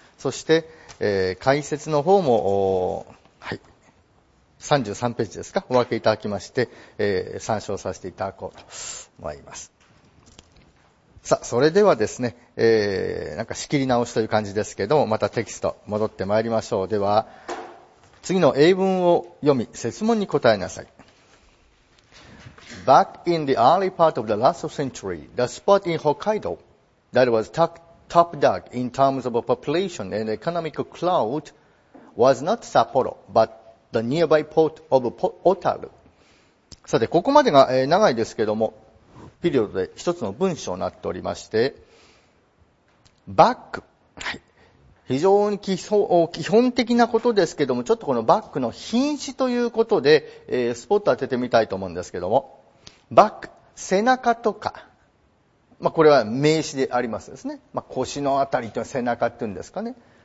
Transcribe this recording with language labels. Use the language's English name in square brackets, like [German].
[Japanese] そして、解説の方も、はい、33ページですか、お分けいただきまして、参照させていただこうと思います。さあ、それではですね、なんか仕切り直しという感じですけども、またテキスト戻ってまいりましょう。では、次の英文を読み、設問に答えなさい。 [English] Back in the early part of the last century, the spot in Hokkaido that was top dog in terms of population and economic clout was not Sapporo, but the nearby port of Otaru. [Japanese] さて、ここまでが長いですけども、ピリオドで一つの文章になっておりまして、バック、はい、非常に基本的なことですけども、ちょっとこのバックの品詞ということで、スポット当ててみたいと思うんですけども、バック、背中とか、まあ、これは名詞でありますですね、まあ、腰のあたりというのは背中っていうんですかね。